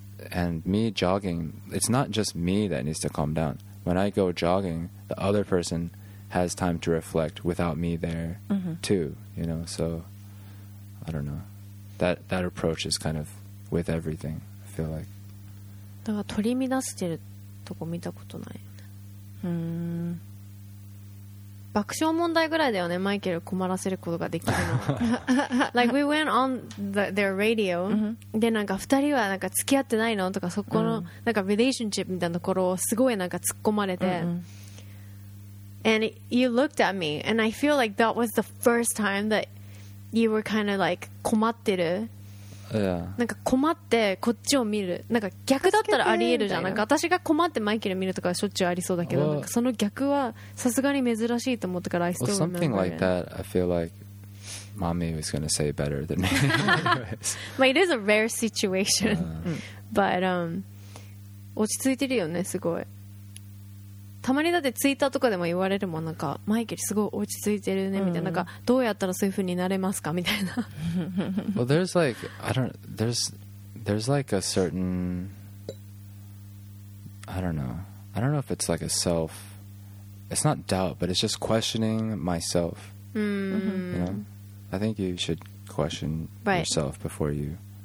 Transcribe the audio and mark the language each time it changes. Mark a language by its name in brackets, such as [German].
[English] And me jogging, it's not just me that needs to calm down. When I go jogging, the other person has time to reflect without me there, mm-hmm. too. You know, so I don't know. That approach is kind of with everything, I feel like. [Japanese] だから取り乱してるとこ見たことない。爆笑問題ぐらいだよね、マイケル困らせることができるの。 [English] Like we went on their radio、mm-hmm. [Japanese] でなんか二人はなんか付き合ってないのとかそこの、mm-hmm. なんか relationship みたいなところをすごいなんか突っ込まれて。Mm-hmm. [English] And you looked at me, and I feel like that was the first time that you were kind of like [Japanese] 困ってる。 [English] Yeah. [Japanese] なんか困ってこっちを見る。なんか逆だったらありえるじゃん。なんか私が困ってマイケル見るとかしょっちゅうありそうだけど、 [English] well, [Japanese] なんかその逆はさすがに珍しいと思ったから、 [English] I still remember. Something like that, I feel like mommy was going to say better than me. But it is a rare situation. But [Japanese] 落ち着いてるよね、すごい。たまにだってツイッターとかでも言われるもん、なんかマイケルすごい落ち着いてるねみたいな、なんかどうやったらそういう風になれますかみたいな。 [English] Well, there's like I don't there's like a certain I don't know if it's like a self, it's not doubt, but it's just questioning myself. Mm-hmm. You know, I think you should question yourself before you.